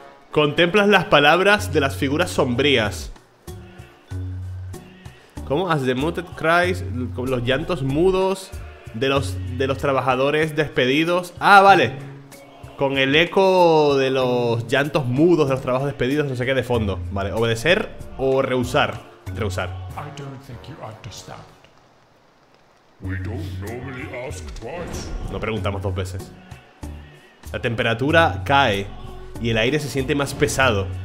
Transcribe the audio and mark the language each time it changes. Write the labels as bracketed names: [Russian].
[Spanish] Contemplas las palabras de las figuras sombrías. ¿Cómo? [English] As the muted cries, [Spanish] los llantos mudos de los trabajadores despedidos. Ah, vale. Con el eco de los llantos mudos de los trabajos despedidos, no sé qué, de fondo. Vale, obedecer o rehusar. Rehusar. [English] I don't think you understand. We don't normally ask twice. [Spanish] No preguntamos dos veces. La temperatura cae y el aire se siente más pesado.